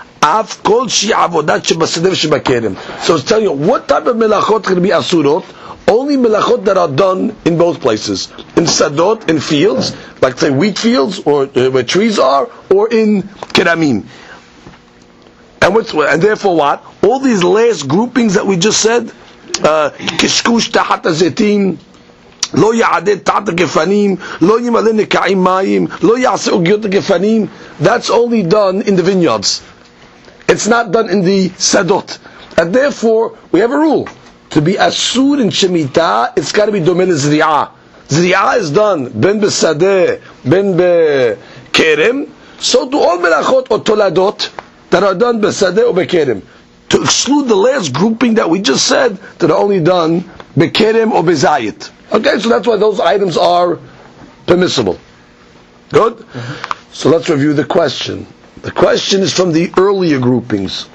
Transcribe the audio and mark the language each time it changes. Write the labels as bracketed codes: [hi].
[he] Af kol shi avodat shebasadev shebakerim. [en] So it's telling you, what type of melachot can be asurot? Only melachot that are done in both places. In sadot, in fields, like say wheat fields, or where trees are, or in keramim. And therefore what? All these last groupings that we just said, [he] kishkush tahat azetim, לא יעדד תחת הגפנים, לא ימלא נקעים מים, לא יעשה עוגיות הגפנים. [en] That's only done in the vineyards. It's not done in the sadot. And therefore, we have a rule. To be asur in Shemitah, it's got to be [he] דומה לזריעה. זריעה [en] is done, [he] בין בשדה, בין בכרם. [en] So do all [he] מלאכות או תולדות [en] that are done [he] בשדה או בכרם. [en] To exclude the last grouping that we just said, that are only done [he] בכרם או בזית. [en] Okay, so that's why those items are permissible. Good? Mm-hmm. So let's review the question. The question is from the earlier groupings.